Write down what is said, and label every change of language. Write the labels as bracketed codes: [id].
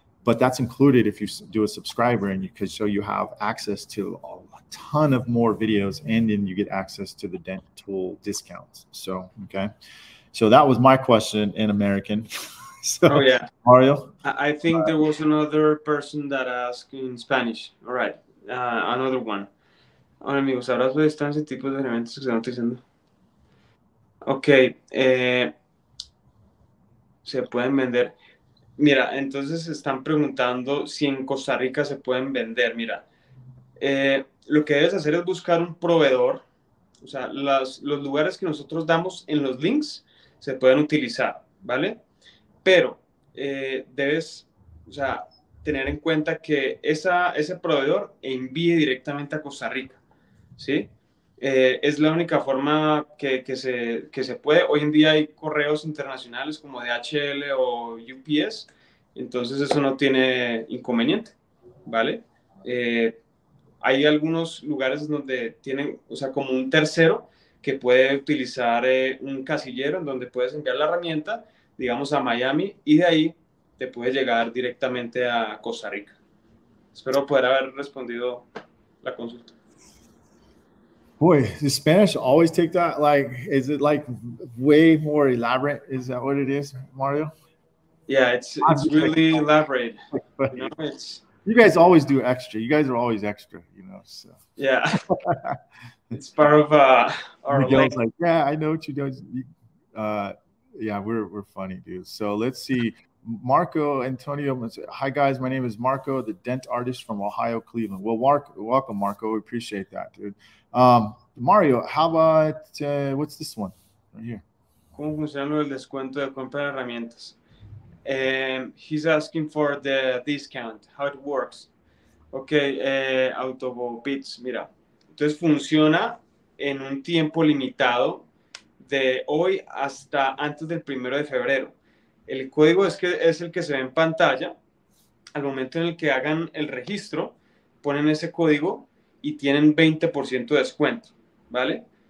[en] But that's included if you do a subscriber, and because so you have access to a ton of more videos, and then you get access to the dent tool discounts. So, okay. So that was my question in American. So, oh yeah, Mario. I think there was another person that asked in Spanish. All right, another one. [es] Hola amigos, abrazo de distancia y tipos de elementos que están utilizando. Okay, se pueden vender. Mira, entonces están preguntando si en Costa Rica se pueden vender. Mira, lo que debes hacer es buscar un proveedor. O sea, los lugares que nosotros damos en los links se pueden utilizar, ¿vale? Pero debes, o sea, tener en cuenta que ese proveedor envíe directamente a Costa Rica, ¿sí? Es la única forma que se puede. Hoy en día hay correos internacionales como DHL o UPS, entonces eso no tiene inconveniente, ¿vale? Hay algunos lugares donde tienen, o sea, como un tercero que puede utilizar un casillero en donde puedes enviar la herramienta, digamos, a Miami, y de ahí te puede llegar directamente a Costa Rica. Espero poder haber respondido la consulta. [en] Boy, the Spanish always take that, like, is it like way more elaborate? Is that what it is, Mario? Yeah, it's really elaborate. You know, you guys always do extra. You guys are always extra, you know, so. Yeah, it's part of our Miguel's life. Like, yeah, I know what you do. Yeah, we're funny, dude. So let's see. Marco Antonio. Hi, guys. My name is Marco, the dent artist from Ohio, Cleveland. Well, welcome, Marco. We appreciate that, dude. Mario, how about what's this one right here? [es] ¿Cómo funciona el descuento de compra de herramientas? [en] He's asking for the discount, how it works. [es] Okay, Autobits, mira. Entonces funciona en un tiempo limitado de hoy hasta antes del 1 de febrero. El código es el que se ve en pantalla. Al momento en el que hagan el registro, ponen ese código y tienen 20% de descuento, ¿vale?